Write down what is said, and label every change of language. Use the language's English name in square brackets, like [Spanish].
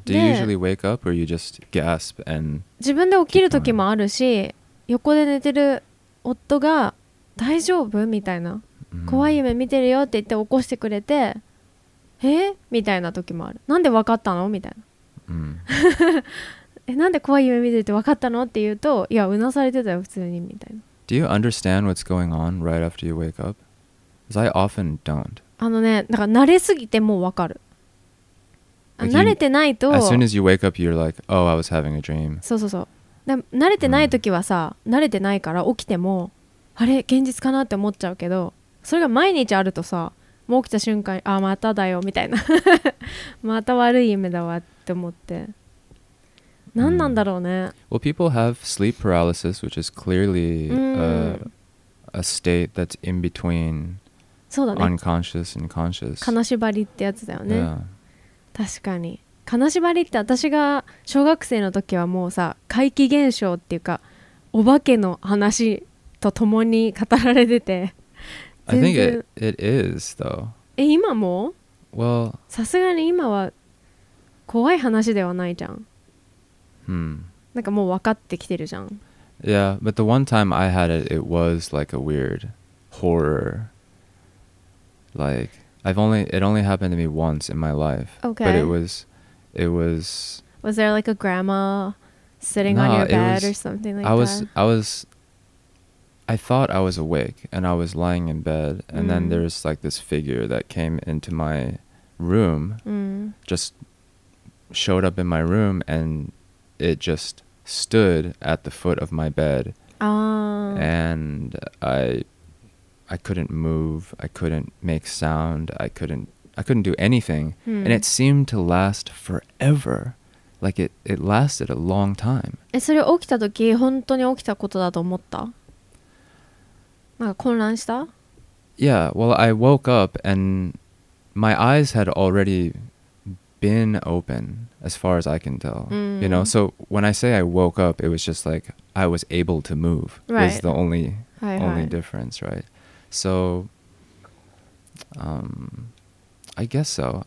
[English] Do you usually wake up or you just gasp and [Japanese] 自分で起きる時もあるし、横で寝てる夫が大丈夫みたいな、怖い夢見てるよって言って起こしてくれて、え？みたいな時もある。なんでわかったのみたいな、なんで怖い夢見てるってわかったのって言うと、いや、うなされてたよ普通にみたいな。 [English] Do you understand what's going on right after you wake up? Because I often don't. [Japanese] あのね、だから慣れすぎてもうわかる。 [English] Like、 [Japanese] 慣れてないと、 [English] as soon as you wake up, you're like, oh, I was having a dream. [Japanese] そうそうそう。で、慣れてない時はさ、慣れてないから起きてもあれ現実かなって思っちゃうけど、それが毎日あるとさ、もう起きた瞬間、あ、まただよみたいな、また悪い夢だわって思って、何なんだろうね。 [English] Well, people have sleep paralysis, which is clearly a state that's in between、 [Japanese] そうだね、 [English] unconscious and conscious. [Japanese] 金縛りってやつだよね。 [English] Yeah. [Japanese] 確かに金縛りって、私が小学生の時はもうさ、怪奇現象っていうかお化けの話とともに語られてて、 [English] I think it is though. [Japanese] え、今も? [English] Well, [Japanese] さすがに今は怖い話ではないじゃん。 Hmm. なんかもう分かってきてるじゃん。 [English] Yeah, but the one time I had it, it was like a weird horror. Like, it only happened to me once in my life. Okay. But it was... Was there like a grandma sitting on your bed or something like that? I thought I was awake and I was lying in bed. And then there's like this figure that came into my room, just showed up in my room, and it just stood at the foot of my bed. And I couldn't move. I couldn't make sound. I couldn't do anything. Mm. And it seemed to last forever. Like it lasted a long time. [Japanese] え、それ起きた時、本当に起きたことだと思った? なんか混乱した? [English] Yeah, well, I woke up and my eyes had already been open, as far as I can tell. Mm. You know, so when I say I woke up, it was just like I was able to move. Right. Was the only difference, right? So, I guess so.